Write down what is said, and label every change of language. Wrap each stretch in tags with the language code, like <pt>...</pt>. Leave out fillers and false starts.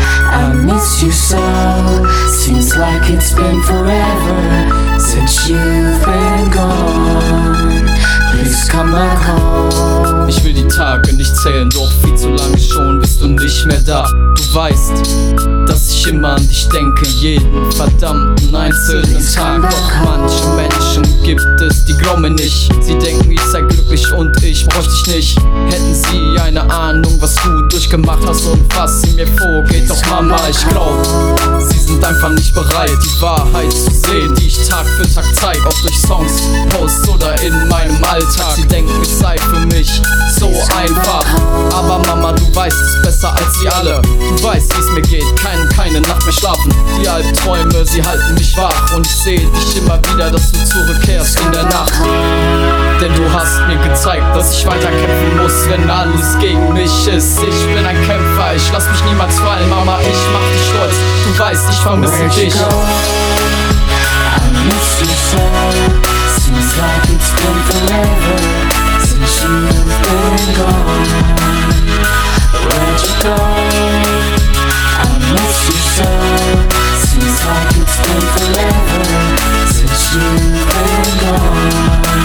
<en>I miss you so. Seems like it's been forever since you've been gone. Please come back home.</en> <de>Ich will die Tage nicht zählen, doch viel zu lange schon bist du nicht mehr da. Du weißt, dass ich immer an dich denke, jeden verdammten einzelnen Tag. Doch manche Menschen gibt es, die glauben mir nicht. Sie denken, ich sei glücklich und ich bräuchte dich nicht. Hätten sie eine Ahnung, was du durchgemacht hast und was in mir vorgeht. Doch Mama, ich glaub, sie sind einfach nicht bereit, die Wahrheit zu sehen, die ich Tag für Tag zeig. Ob durch Songs, Posts oder in meinem Alltag. Sie denken, ich sei für mich so einfach. Aber Mama, du weißt es besser als sie alle. Du weißt, wie es mir geht, keine Nacht mehr schlafen. Die Albträume, sie halten mich wach. Und ich seh dich immer wieder, dass du zurückkehrst in der Nacht. Denn du hast mir gezeigt, dass ich weiter kämpfen muss, wenn alles gegen mich ist. Ich bin ein Kämpfer, ich lass mich niemals fallen. Mama, ich mach dich stolz, du weißt, ich vermisse dich.</de> <en>Where'd you go? I miss you so. Seems like it's been forever since you've been gone. Where'd you go? I miss you so. Seems like it's been forever since you've been gone.</en>